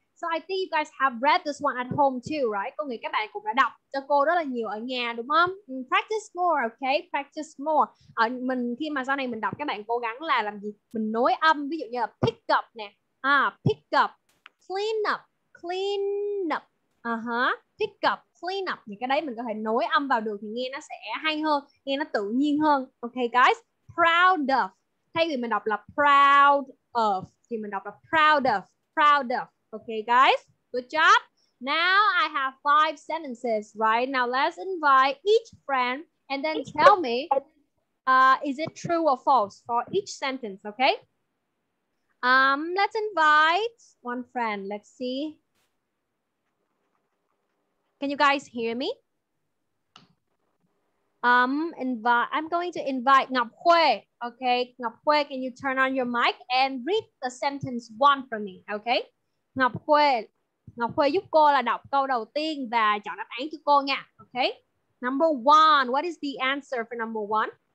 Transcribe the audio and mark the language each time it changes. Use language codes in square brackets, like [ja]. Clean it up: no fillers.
[en] So I think you guys have read this one at home too, right? [vi] Có nghĩa các bạn cũng đã đọc cho cô rất là nhiều ở nhà, đúng không? [en] Practice more, okay? Practice more. [vi] Ở mình khi mà sau này mình đọc, các bạn cố gắng là làm gì? Mình nối âm, ví dụ như là pick up nè. Pick up. [en] Clean up. Pick up, clean up. [vi] Những cái đấy mình có thể nối âm vào được thì nghe nó sẽ hay hơn, nghe nó tự nhiên hơn. [en] Okay, guys? Proud of. [vi] Thay vì mình đọc là proud of, thì mình đọc là proud of. [en] Okay, guys, good job. Now I have 5 sentences, right? Now let's invite each friend and then tell me, is it true or false for each sentence, okay? Let's invite one friend. Let's see. Can you guys hear me? I'm going to invite Ngọc Khuê. Okay, Ngọc Khuê, can you turn on your mic and read the sentence one for me, okay? [vi] Ngọc Khuê giúp cô là đọc câu đầu tiên và chọn đáp án cho cô nha. [en] Okay. Number one, what is the answer for number one?